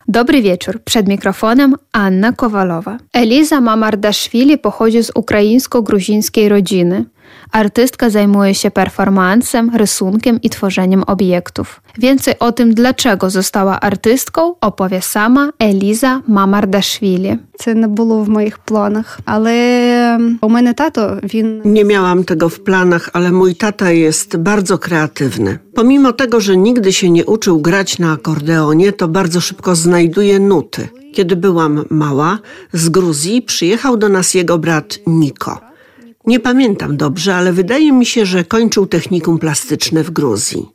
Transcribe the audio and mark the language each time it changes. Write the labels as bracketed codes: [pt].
[pl] Dobry wieczór. Przed mikrofonem Anna Kowalowa. Eliza Mamardaszwili pochodzi z ukraińsko-gruzińskiej rodziny. Artystka zajmuje się performansem, rysunkiem i tworzeniem obiektów. Więcej o tym, dlaczego została artystką, opowie sama Eliza Mamardaszwili. [uk] Це не було в моїх планах, але у мене тато, він... [pl] Nie miałam tego w planach, ale mój tata jest bardzo kreatywny. Pomimo tego, że nigdy się nie uczył grać na akordeonie, to bardzo szybko znajduje nuty. Kiedy byłam mała, z Gruzji przyjechał do nas jego brat Niko. Nie pamiętam dobrze, ale wydaje mi się, że kończył technikum plastyczne w Gruzji.